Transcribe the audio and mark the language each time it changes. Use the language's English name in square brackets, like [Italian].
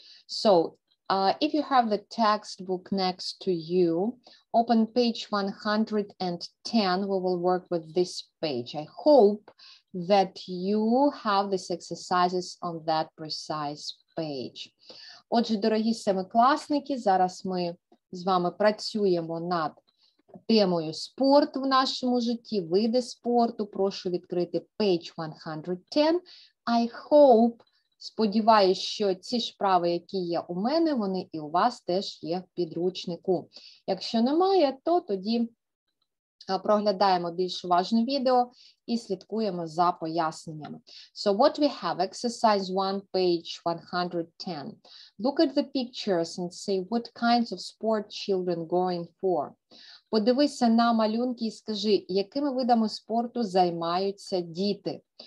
[English] So if you have the textbook next to you, open page 110, we will work with this page. I hope that you have these exercises on that precise page. [Ukrainian] Отже, дорогі семикласники, зараз ми з вами працюємо над темою спорту в нашому житті, види спорту. Прошу відкрити [English] page 110. I hope, [Ukrainian] сподіваюся, що ці ж справи, які є у мене, вони і у вас теж є в підручнику. Якщо немає, то тоді проглядаємо більш уважне відео і слідкуємо за поясненнями. [English] So what we have, exercise 1, page 110. Look at the pictures and say what kinds of sport children going for. [Ukrainian] Подивися на малюнки і скажи, якими видами спорту займаються діти.